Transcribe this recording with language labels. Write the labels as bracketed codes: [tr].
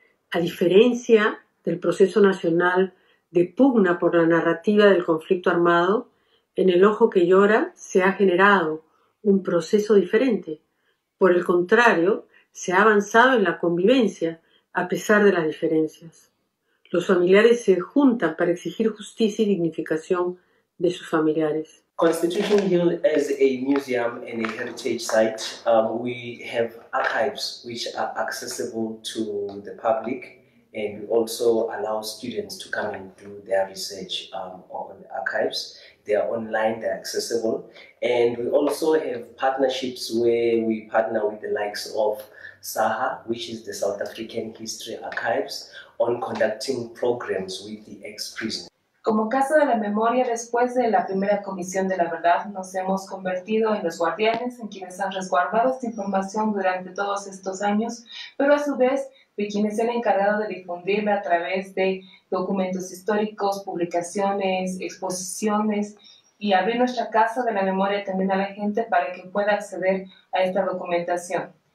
[es] A diferencia del proceso nacional de pugna por la narrativa del conflicto armado, en El Ojo que Llora se ha generado un proceso diferente. Por el contrario, se ha avanzado en la convivencia a pesar de las diferencias. Los familiares se juntan para exigir justicia y dignificación de sus familiares. [en] Constitution Hill is a museum and a heritage site. We have archives which are accessible to the public and also allow students to come and do their research on the archives. They are online, they are accessible. And we also have partnerships where we partner with the likes of SAHA, which is the South African History Archives, on conducting programs with the ex-prisoners. [es] Como Casa de la Memoria, después de la primera Comisión de la Verdad, nos hemos convertido en los guardianes, en quienes han resguardado esta información durante todos estos años, pero a su vez, de quienes se han encargado de difundirla a través de documentos históricos, publicaciones, exposiciones, y abrir nuestra Casa de la Memoria también a la gente para que pueda acceder a esta documentación.